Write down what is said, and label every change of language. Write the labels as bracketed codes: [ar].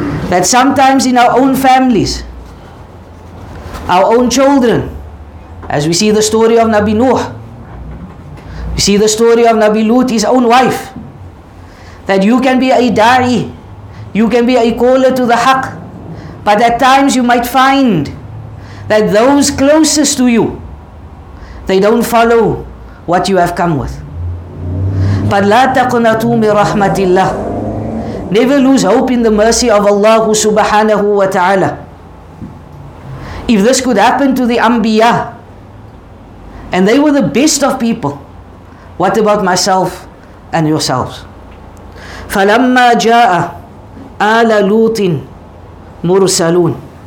[en] That sometimes in our own families, our own children, as we see the story of Nabi Nuh, we see the story of Nabi Lut, his own wife, that you can be a da'i, you can be a caller to the haqq, but at times you might find that those closest to you, they don't follow what you have come with. [ar] But لا تقنطوا من رحمة الله. [en] Never lose hope in the mercy of Allah subhanahu wa ta'ala. If this could happen to the Anbiya, and they were the best of people, what about myself and yourselves? [ar] فَلَمَّا جَاءَ آلَ لُوطٍ مُرْسَلُونَ.